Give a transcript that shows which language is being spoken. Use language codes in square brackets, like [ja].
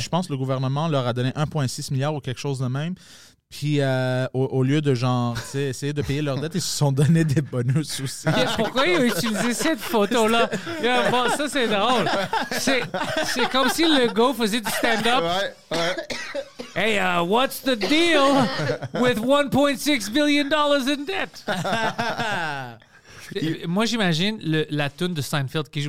[fr] Je pense que le gouvernement leur a donné 1,6 milliard ou quelque chose de même. Puis au lieu de genre essayer de payer leurs dettes, ils se sont donné des bonus aussi. Pourquoi ils ont utilisé cette photo-là? Bon, ça, c'est drôle. C'est comme si le gars faisait du stand-up. Ouais, ouais. [en] Hey, what's the deal with $1.6 billion in debt? [fr] Moi, j'imagine la toune de Seinfeld qui joue.